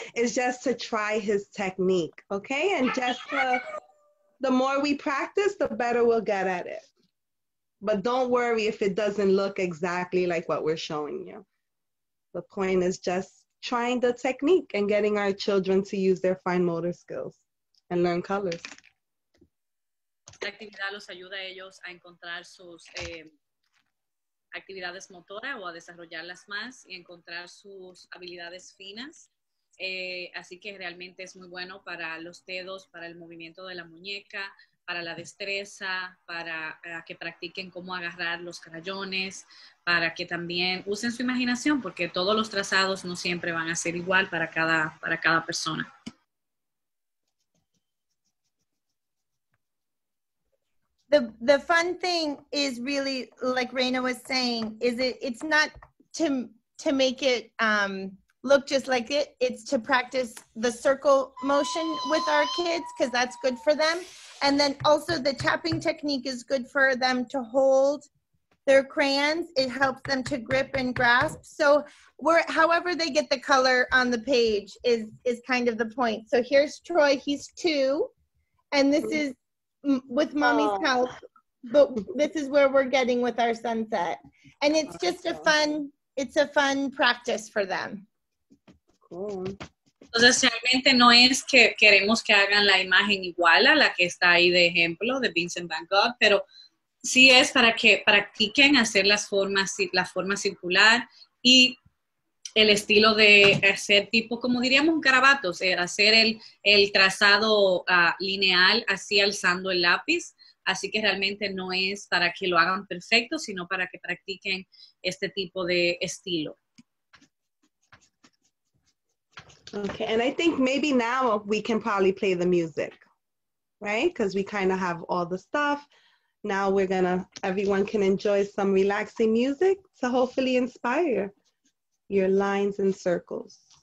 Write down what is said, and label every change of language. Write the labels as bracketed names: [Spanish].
[English] It's just to try his technique, okay? And just the more we practice, the better we'll get at it. But don't worry if it doesn't look exactly like what we're showing you. The point is just trying the technique and getting our children to use their fine motor skills and learn colors. [Spanish] Esta actividad los ayuda a ellos a encontrar sus actividades motoras o a desarrollarlas más y encontrar sus habilidades finas. Así que realmente es muy bueno para los dedos, para el movimiento de la muñeca, para la destreza, para que practiquen cómo agarrar los crayones, para que también usen su imaginación porque todos los trazados no siempre van a ser igual para cada persona. [English] The fun thing is really, like Reina was saying, is it's not to make it look just like it. It's to practice the circle motion with our kids, because that's good for them. And then also the tapping technique is good for them to hold their crayons. It helps them to grip and grasp. So however they get the color on the page is kind of the point. So here's Troy, he's 2. And this is with mommy's help, but this is where we're getting with our sunset. And it's just a fun practice for them. Cool. [Spanish] Entonces realmente no es que queremos que hagan la imagen igual a la que está ahí de ejemplo de Vincent Van Gogh, pero sí es para que practiquen hacer las formas, la forma circular y el estilo de hacer tipo, como diríamos, garabatos, hacer el trazado lineal así alzando el lápiz. Así que realmente no es para que lo hagan perfecto, sino para que practiquen este tipo de estilo. [English] Okay, and I think maybe now we can probably play the music, right? Because we kind of have all the stuff. Now everyone can enjoy some relaxing music to hopefully inspire your lines and circles.